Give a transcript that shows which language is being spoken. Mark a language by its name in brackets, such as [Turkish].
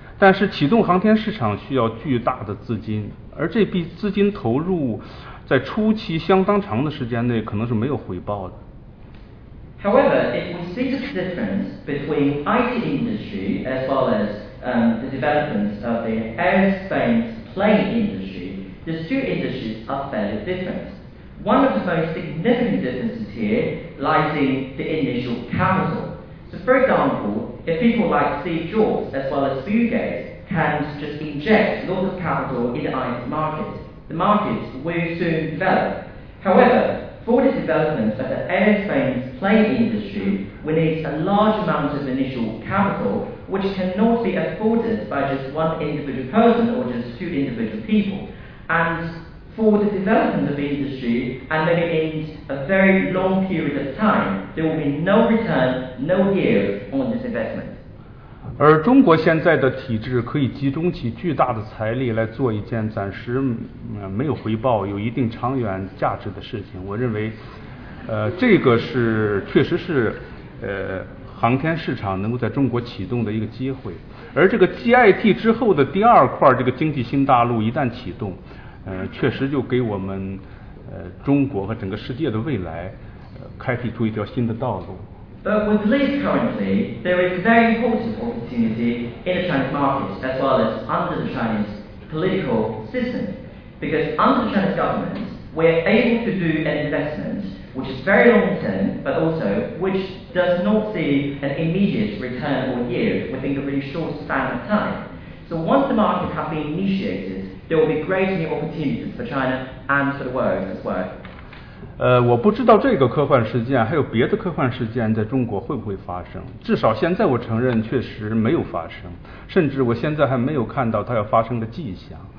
[Chinese] 但是启动航天市场需要巨大的资金，而这笔资金投入在初期相当长的时间内可能是没有回报的。 [English] However, if we see the difference between IT industry as well as the development of the aerospace plane industry, the two industries are fairly different. One of the most significant differences here lies in the initial capital. So for example, if people like Steve Jobs as well as Bill Gates can just inject lots of capital in the IT market, the market will soon develop. However,For the development of the airplane plane industry, we need a large amount of initial capital, which cannot be afforded by just one individual person or just two individual people. And for the development of the industry, and maybe in a very long period of time, there will be no return, no yield on this investment. [Chinese] 而中国现在的体制可以集中起巨大的财力来做一件暂时没有回报、有一定长远价值的事情。我认为，这个是确实是，航天市场能够在中国启动的一个机会。而这个 GIT 之后的第二块这个经济新大陆一旦启动，确实就给我们中国和整个世界的未来，开辟出一条新的道路。 [English] But we believe currently there is a very important opportunity in the Chinese market as well as under the Chinese political system. Because under the Chinese government, we are able to do an investment which is very long term, but also which does not see an immediate return or yield within a really short span of time. So once the market has been initiated, there will be great new opportunities for China and for the world as well. [Chinese] 我不知道这个科幻事件还有别的科幻事件在中国会不会发生，至少现在我承认确实没有发生，甚至我现在还没有看到它要发生的迹象。